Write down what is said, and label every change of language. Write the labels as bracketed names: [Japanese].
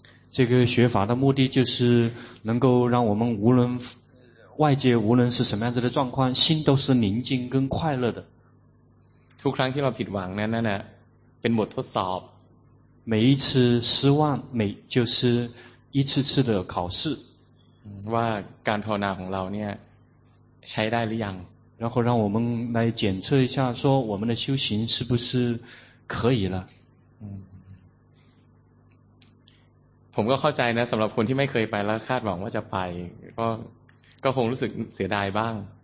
[Chinese] 这个学法的目的就是能够让我们无论外界无论是什么样子的状况心都是宁静跟快乐的 [Thai] ทุกครั้งที่เราผิดหวังนั้นเป็นบททดสอบ [Chinese] 每一次失望每就是一次次的考试 [Thai] ว่าการภาวนาของเราเนี่ยใช้ได้หรือยัง [Chinese] 然后让我们来检测一下说我们的修行是不是可以了 [Thai] ผมก็เข้าใจนะสำหรับคนที่ไม่เคยไปแล้วคาดหวังว่าจะไปก็คงรู้สึกเสียดายบ้าง